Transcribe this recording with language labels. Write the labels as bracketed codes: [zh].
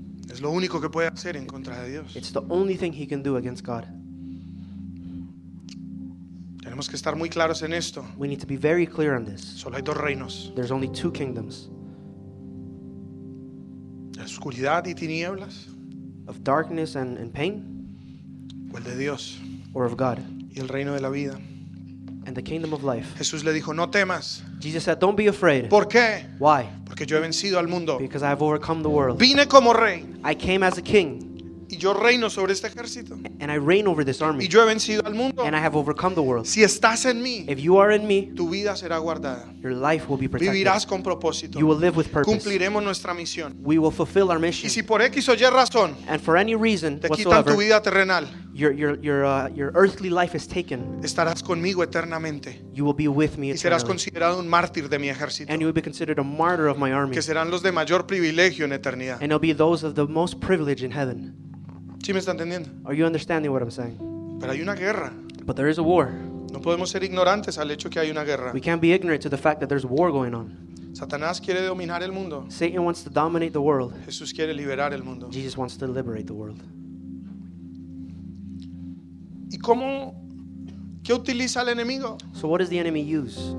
[es] Es lo único que puede hacer en contra de Dios. [en] It's the only thing he can do against God. [es] Tenemos que estar muy claros en esto. [en] We need to be very clear on this. [es] Solo hay dos reinos. [en] There's only two kingdoms. [es] La oscuridad y tinieblas. [en] Of darkness and pain. [es] O el de Dios. [en] Or of God. [es] Y el reino de la vida. [en] And the kingdom of life. [es] Jesús le dijo, no temas. [en] Jesus said, don't be afraid. [es] ¿Por qué? [en] Why? [es] Porque yo he vencido al mundo. [en] Because I have overcome the world. [es] Vine como rey. [en] I came as a king. [es] Y yo reino sobre este ejército. [en] And I reign over this army. [es] Y yo he vencido al mundo. [en] And I have overcome the world. [es] Si estás en mí, [en] if you are in me, [es] tu vida será guardada. [en] Your life will be protected. [es] Vivirás con propósito. [en] You will live with purpose. [es] Cumpliremos nuestra misión. [en] We will fulfill our mission. [es] Y si por X o Y razón, [en] and for any reason [es] te quitan tu vida terrenal, [en] your earthly life is taken, [es] estarás conmigo eternamente. [en] You will be with me eternally. [es] Y serás considerado un mártir de mi ejército. [en] And you will be considered a martyr of my army. [es] Que serán los de mayor privilegio en eternidad. [en] And they'll be those of the most privilege in heaven. [es] ¿Sí me está entendiendo? [en] Are you understanding what I'm saying? [es] Pero hay una guerra. [en] But there is a war. [es] No podemos ser ignorantes al hecho que hay una guerra. [en] We can't be ignorant to the fact that there's war going on. [es] Satanás quiere dominar el mundo. [en] Satan wants to dominate the world. [es] Jesús quiere liberar el mundo. [en] Jesus wants to liberate the world. [es] ¿Y cómo? ¿Qué utiliza el enemigo? [en] So what does the enemy use?